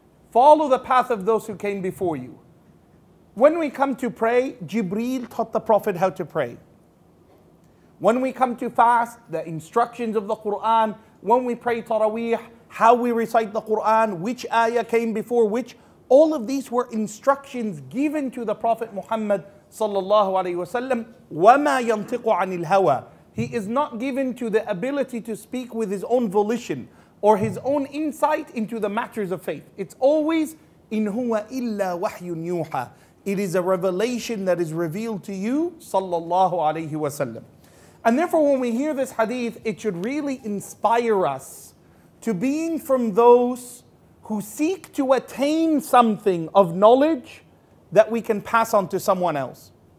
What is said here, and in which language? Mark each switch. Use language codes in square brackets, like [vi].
[en] Follow the path of those who came before you. When we come to pray, Jibreel taught the Prophet how to pray. When we come to fast, the instructions of the Quran, when we pray Taraweeh, how we recite the Qur'an, which ayah came before which, all of these were instructions given to the Prophet Muhammad [ar] صلى الله عليه وسلم وما ينطق عن الهوى. [en] He is not given to the ability to speak with his own volition or his own insight into the matters of faith. It's always [ar] إن هو إلا وحي يوحى. [en] It is a revelation that is revealed to you, [ar] صلى الله عليه وسلم. [en] And therefore, when we hear this hadith, it should really inspire us to being from those who seek to attain something of knowledge that we can pass on to someone else.